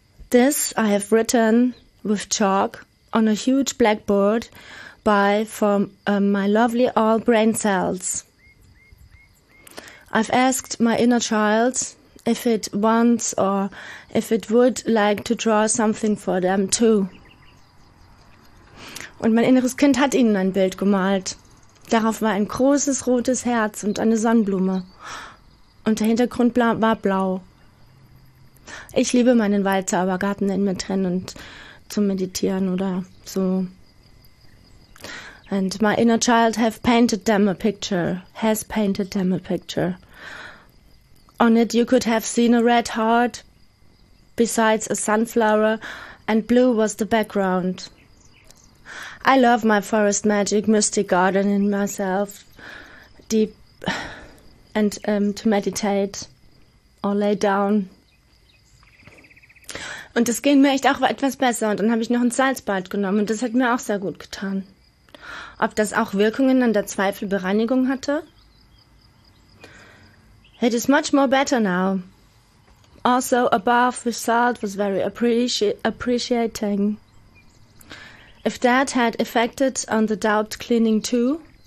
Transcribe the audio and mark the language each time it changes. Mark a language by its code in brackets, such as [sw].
[en] This I have written with chalk on a huge blackboard by from my lovely all brain cells. I've asked my inner child if it wants or if it would like to draw something for them too. [de] Und mein inneres Kind hat ihnen ein Bild gemalt. Darauf war ein großes rotes Herz und eine Sonnenblume. Und der Hintergrund war blau. Ich liebe meinen Waldzaubergarten in mir drin und zu meditieren oder so. [en] And my inner child has painted them a picture. On it you could have seen a red heart, besides a sunflower, and blue was the background. I love my forest magic mystic garden in myself, deep, and to meditate or lay down. [de] Und das ging mir echt auch etwas besser. Und dann habe ich noch ein Salzbad genommen. Und das hat mir auch sehr gut getan. Ob das auch Wirkungen an der Zweifelbereinigung hatte? [en] It is much more better now. Also, a bath with salt was very appreciating. If that had affected on the doubt cleaning too.